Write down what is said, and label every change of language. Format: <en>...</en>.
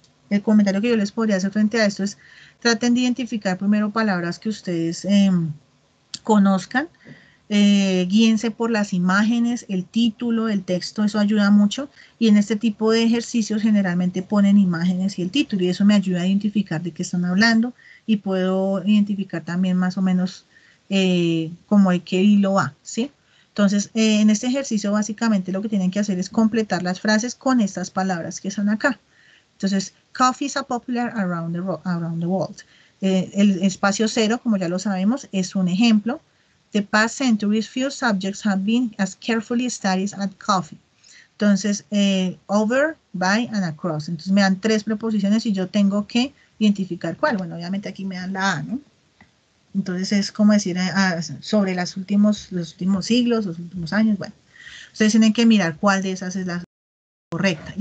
<es>el comentario que yo les podría hacer frente a esto es, traten de identificar primero palabras que ustedes conozcan, guíense por las imágenes, el título, el texto, eso ayuda mucho, y en este tipo de ejercicios generalmente ponen imágenes y el título, y eso me ayuda a identificar de qué están hablando, y puedo identificar también más o menos cómo hay que hilo va, ¿sí? Entonces, en este ejercicio básicamente lo que tienen que hacer es completar las frases con estas palabras que están acá. Entonces,</es> <en>coffee is a popular around the world.</en> <es>El espacio cero, como ya lo sabemos, es un ejemplo.</es> <en>The past centuries, few subjects have been as carefully studied as coffee.</en> <es>Entonces, over, by, and across. Entonces, me dan tres preposiciones y yo tengo que identificar cuál. Bueno, obviamente aquí me dan la A, ¿no? Entonces, es como decir sobre los últimos siglos, los últimos años. Bueno, ustedes tienen que mirar cuál de esas es la correcta.</es>